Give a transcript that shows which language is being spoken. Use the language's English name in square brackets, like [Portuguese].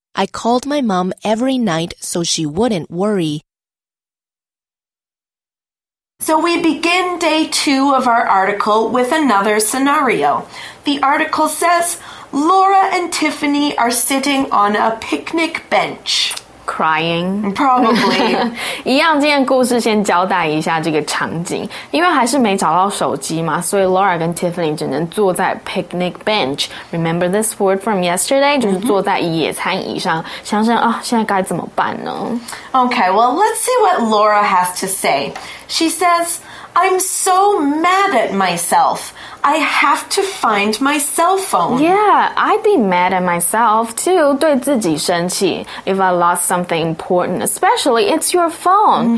[English] I called my mom every night so she wouldn't worry. So we begin day two of our article with another scenario. The article says, Laura and Tiffany are sitting on a picnic bench. Crying. Probably. [Chinese] 一样，今天故事先交代一下这个场景。因为还是没找到手机嘛，所以 Laura 跟 Tiffany 只能坐在 picnic bench. [English] Remember this word from yesterday? [Chinese] 就是坐在野餐椅上，想想啊，现在该怎么办呢？ [English] Okay, well, let's see what Laura has to say. She says, I'm so mad at myself. I have to find my cell phone. Yeah, I'd be mad at myself too. [Chinese] 对自己生气 [English] if I lost something important, especially it's your phone.